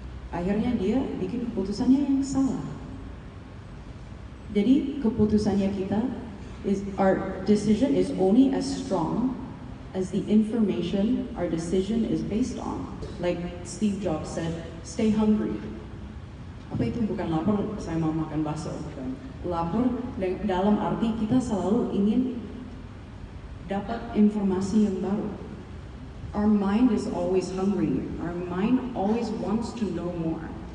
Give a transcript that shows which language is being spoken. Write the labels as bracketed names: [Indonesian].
[Indonesian] Akhirnya dia bikin keputusannya yang salah. Jadi keputusannya kita, [English] our decision is only as strong as the information our decision is based on. Like Steve Jobs said, stay hungry. [Indonesian] Apa itu bukan lapar, saya mau makan bakso. Lapar dalam arti kita selalu ingin dapat informasi yang baru. [English] Our mind is always hungry. Our mind always wants to know more.